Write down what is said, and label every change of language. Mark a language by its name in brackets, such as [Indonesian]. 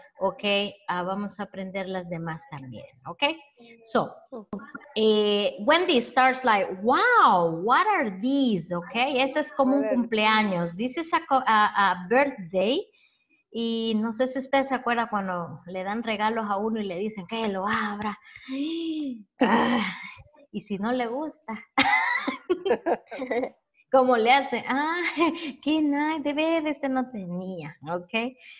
[Spanish] Ok, vamos a aprender las demás también, ok? [English] So, Wendy starts like, wow, what are these, ok? [Spanish] Ese es como un cumpleaños. [English] This is a birthday. [Spanish] Y no sé si usted se acuerda cuando le dan regalos a uno y le dicen que lo abra. Y si no le gusta. ¿Cómo le hace? Ah, qué nice, bebé, este no tenía, ¿ok?